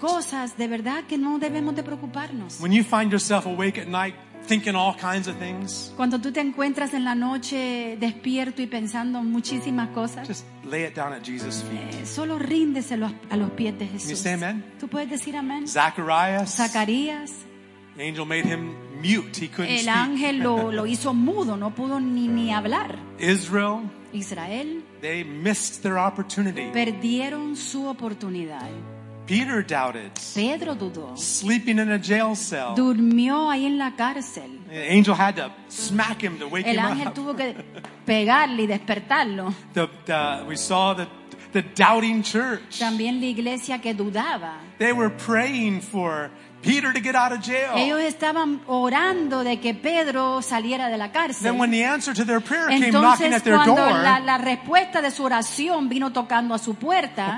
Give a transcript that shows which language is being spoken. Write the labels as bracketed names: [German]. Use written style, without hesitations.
[Spanish] Cosas de verdad que no debemos de preocuparnos. [English] When you find yourself awake at night thinking all kinds of things. [Spanish] Cuando tú te encuentras en la noche despierto y pensando muchísimas cosas. [English] Just lay it down at Jesus' feet. [Spanish] Solo ríndeselo a los pies de Jesús. [English] Can you say amen? [Spanish] Tú puedes decir amén. [English] Zacarías. The angel made him mute. He couldn't [Spanish] el [English] speak. [Spanish] El ángel lo hizo mudo, no pudo ni hablar. [English] Israel. [Spanish] Israel. [English] They missed their opportunity. [Spanish] Perdieron su oportunidad. [English] Peter doubted. [Spanish] Pedro dudó. [English] Sleeping in a jail cell. [Spanish] Durmió ahí en la cárcel. [English] The angel had to smack him to wake him up. [Spanish] El ángel tuvo que pegarle y despertarlo. [English] We saw the doubting church. [Spanish] También la iglesia que dudaba. [English] They were praying for Peter to get out of jail. [Spanish] Ellos estaban orando de que Pedro saliera de la cárcel. [English] Then when the answer to their prayer [Spanish] entonces, [English] came knocking at their [Spanish] cuando [English] door. [Spanish] La respuesta de su oración vino tocando a su puerta.